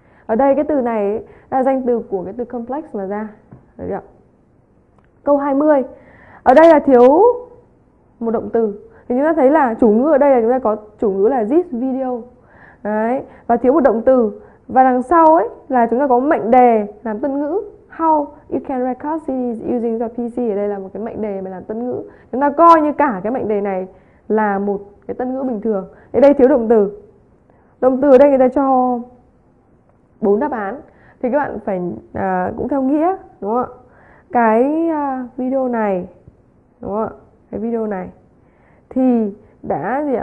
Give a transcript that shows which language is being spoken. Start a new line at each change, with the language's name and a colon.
Vietnamese: Ở đây cái từ này ấy, là danh từ của cái từ complex mà ra. Được chưa? Câu 20. Ở đây là thiếu một động từ. Thì chúng ta thấy là chủ ngữ ở đây là chúng ta có chủ ngữ là this video. Đấy. Và thiếu một động từ. Và đằng sau ấy là chúng ta có mệnh đề làm tân ngữ.
English: How you can record CDs using the PC.
Vietnamese: Ở đây là một cái mệnh đề mà làm tân ngữ. Chúng ta coi như cả cái mệnh đề này là một cái tân ngữ bình thường. Ở đây thiếu động từ. Động từ ở đây người ta cho bốn đáp án. Thì các bạn phải cũng theo nghĩa, đúng không ạ? Cái video này, đúng không ạ? Cái video này thì đã gì ạ?